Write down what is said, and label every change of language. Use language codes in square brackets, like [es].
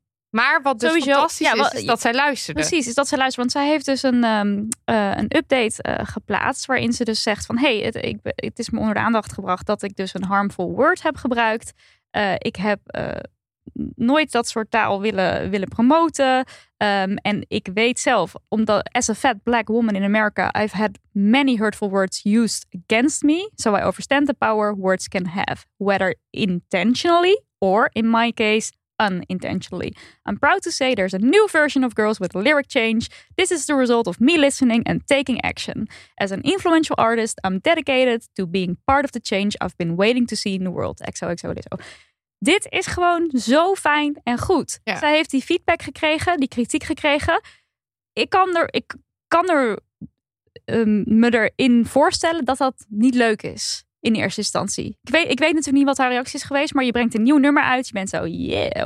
[nl] Maar wat dus sowieso, fantastisch is dat zij luisterde. Precies, is dat zij luisterde. Want zij heeft dus een update geplaatst. Waarin ze dus zegt van, hey, het is me onder de aandacht gebracht dat ik dus een harmful word heb gebruikt. Ik heb nooit dat soort taal willen promoten. En ik weet zelf, omdat [en] as a fat black woman in America, I've had many hurtful words used against me. So I understand the power words can have, whether intentionally or, in my case, unintentionally. I'm proud to say there's a new version of Girls with Lyric Change. This is the result of me listening and taking action. As an influential artist, I'm dedicated to being part of the change I've been waiting to see in the world. XOXO Lizzo. [nl] Dit is gewoon zo fijn en goed. Ja. Zij heeft die feedback gekregen, die kritiek gekregen. Ik kan me erin voorstellen dat dat niet leuk is in eerste instantie. Ik weet natuurlijk niet wat haar reactie is geweest, maar je brengt een nieuw nummer uit. Je bent zo, yeah.